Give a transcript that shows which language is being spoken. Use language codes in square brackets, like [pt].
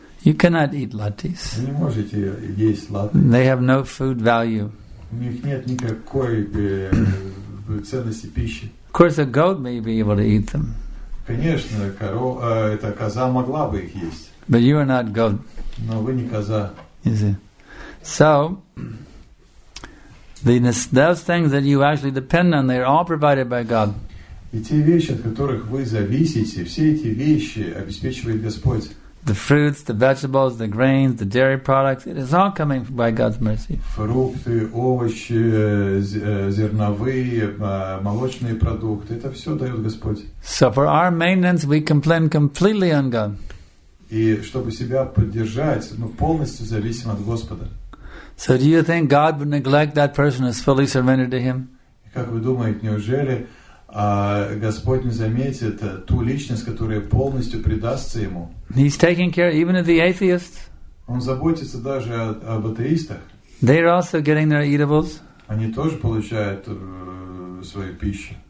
[en] You cannot eat lattes. [ru] Вы не можете есть латте. [en] They have no food value. [ru] У них нет никакой ценности пищи. [en] Of course, a goat may be able to eat them. [ru] Конечно, эта коза могла бы их есть. [en] But you are not goat. [ru] Но вы не коза. [en] Is it? So, those things that you actually depend on, they are all provided by God. [ru] И те вещи, от которых вы зависите, все эти вещи обеспечивает Господь. [en] The fruits, the vegetables, the grains, the dairy products, it is all coming by God's mercy. [ru] Фрукты, овощи, зерновые, молочные продукты, это все дает Господь. [en] So for our maintenance, we complain completely on God. [ru] И чтобы себя поддержать, мы полностью зависим от Господа. [en] So do you think God would neglect that person who is fully surrendered to Him? [ru] Как вы думаете, неужели Господь не заметит ту личность, которая полностью предастся Ему? [en] He's taking care even of the atheists. [ru] Он заботится даже об атеистах. [en] They are also getting their eatables. [ru] Они тоже получают свою пищу.